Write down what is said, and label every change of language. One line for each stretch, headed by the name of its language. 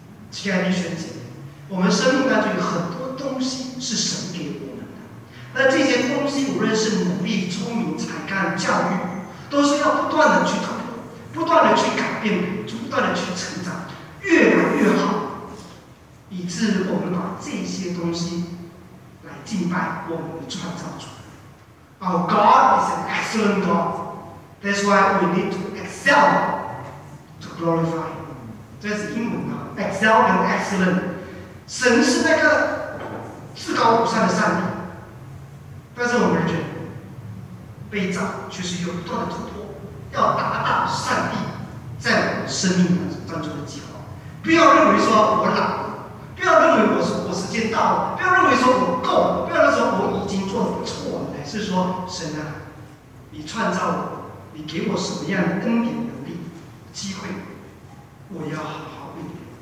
Chinese: 亲爱的弟兄姐妹，我们生命当中有很多东西是神给我们的，那这些东西无论是努力、聪明、才干、教育，都是要不断的去突破，不断的去改变，不断的去成长，越来越好，以致我们把这些东西来敬拜我们的创造主。
English: Our God is an excellent God. That's why we need to excel to glorify.
Chinese: 这是英文啊 ，
English: excel and excellent.
Chinese: 神是那个至高无上的上帝，但是我们人被造却是有不断的突破。要达到上帝在我生命当中的计划，不要认为说我老了，不要认为我时间到了，不要认为说我够了，不要认为说我已经做得不错了，乃是说神啊，你创造我，你给我什么样的恩典、能力、机会，我要好好运用。